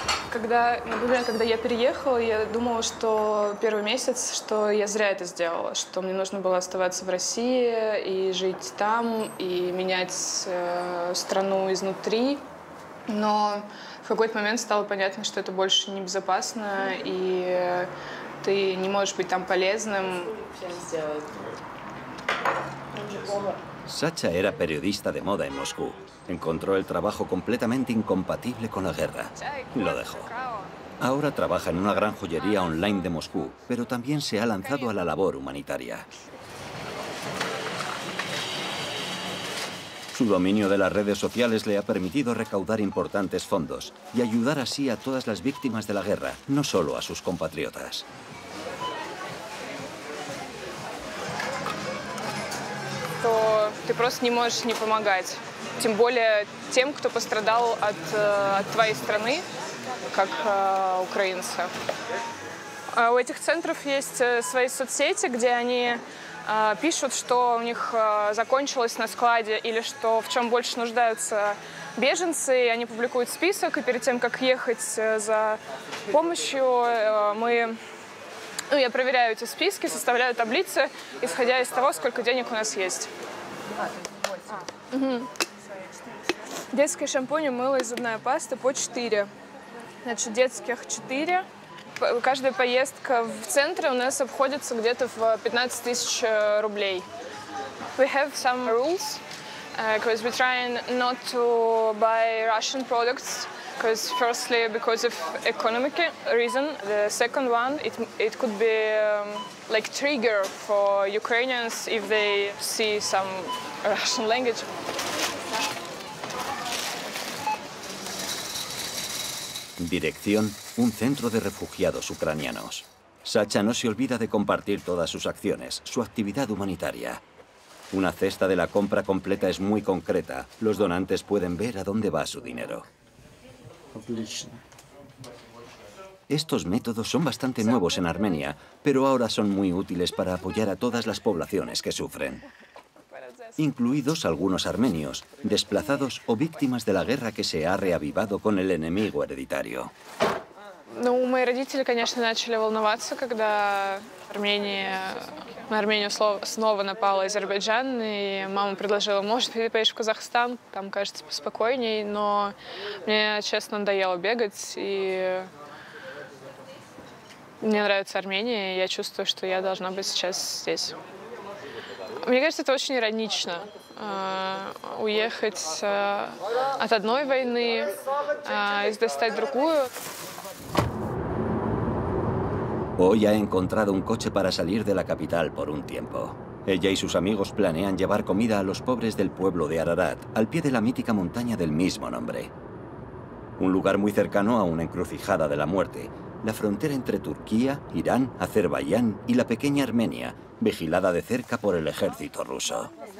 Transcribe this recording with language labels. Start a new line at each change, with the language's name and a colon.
Russian: Когда я переехала, я думала, что первый месяц, что я зря это сделала, что мне нужно было оставаться в России и жить там, и менять страну изнутри. Но в какой-то момент стало понятно, что это больше небезопасно, и ты не можешь быть там полезным.
Spanish: Sacha era periodista de moda en Moscú. Encontró el trabajo completamente incompatible con la guerra. Lo dejó. Ahora trabaja en una gran joyería online de Moscú, pero también se ha lanzado a la labor humanitaria. Su dominio de las redes sociales le ha permitido recaudar importantes fondos y ayudar así a todas las víctimas de la guerra, no solo a sus compatriotas.
Russian: То ты просто не можешь не помогать. Тем более тем, кто пострадал от твоей страны, как украинцы. У этих центров есть свои соцсети, где они пишут, что у них закончилось на складе или что в чем больше нуждаются беженцы. И они публикуют список, и перед тем, как ехать за помощью, я проверяю эти списки, составляю таблицы, исходя из того, сколько денег у нас есть. Детский шампунь, мыло и зубная паста по 4. Значит, детских 4. Каждая поездка в центре у нас обходится где-то в 15 тысяч рублей.
English: We have some rules, because we try not to buy Russian products. Because firstly, because of economic reason, the second one, it could be like trigger for Ukrainians if they see some Russian language.
Spanish: Dirección, un centro de refugiados ucranianos. Sacha no se olvida de compartir todas sus acciones, su actividad humanitaria. Una cesta de la compra completa es muy concreta. Los donantes pueden ver a dónde va su dinero. Estos métodos son bastante nuevos en Armenia, pero ahora son muy útiles para apoyar a todas las poblaciones que sufren, incluidos algunos armenios, desplazados o víctimas de la guerra que se ha reavivado con el enemigo hereditario.
Russian: Ну, мои родители, конечно, начали волноваться, когда Армения, на Армению снова напала Азербайджан, и мама предложила, может, ты поедешь в Казахстан, там, кажется, поспокойней, но мне, честно, надоело бегать, и мне нравится Армения, и я чувствую, что я должна быть сейчас здесь. Мне кажется, это очень иронично. Уехать от одной войны и достать другую.
Spanish: Hoy ha encontrado un coche para salir de la capital por un tiempo. Ella y sus amigos planean llevar comida a los pobres del pueblo de Ararat, al pie de la mítica montaña del mismo nombre. Un lugar muy cercano a una encrucijada de la muerte, la frontera entre Turquía, Irán, Azerbaiyán y la pequeña Armenia, vigilada de cerca por el ejército ruso.